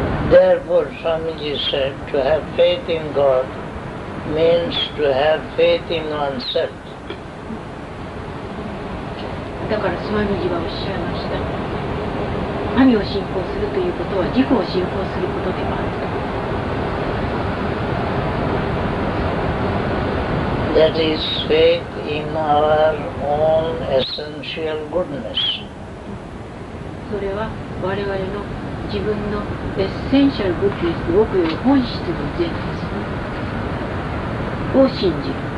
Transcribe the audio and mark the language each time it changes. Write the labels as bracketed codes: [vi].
[en] Therefore, Swamiji said, to have faith in God means to have faith in oneself. [ja] だから、スワミジはおっしゃいました。神を信仰するということは、自己を信仰することでもあると。 [en] That is faith in our own essential goodness. [ja] それは我々の自分のエッセンシャルグッドネス、奥より本質の善です、ね、を信じる。